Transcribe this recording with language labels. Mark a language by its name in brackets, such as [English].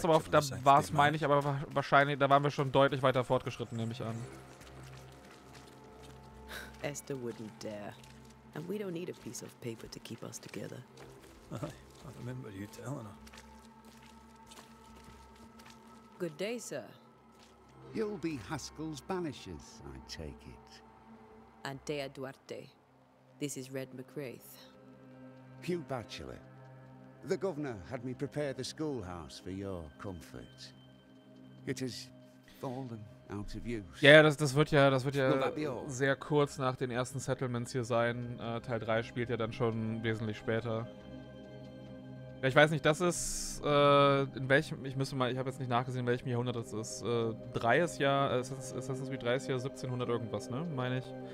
[German] Da waren wir schon deutlich weiter fortgeschritten, nehme ich an. [English] Esther wouldn't dare. And we don't need a piece of paper to keep us together. I remember you telling her. Good day, sir. You'll be Haskell's banishers, I take it. Antea Duarte. This is Red McCraith. Hugh Batchelor. The governor had me prepare the schoolhouse for your comfort. It has fallen out of use. [German] Ja, das wird ja sehr kurz nach den ersten Settlements hier sein. Teil 3 spielt ja dann schon wesentlich später. Ja, ich weiß nicht, das ist in welchem, ich habe jetzt nicht nachgesehen, in welchem Jahrhundert das ist. 3 ist ja, Assassin's Creed 3 ist ja 1700 irgendwas, ne, meine ich.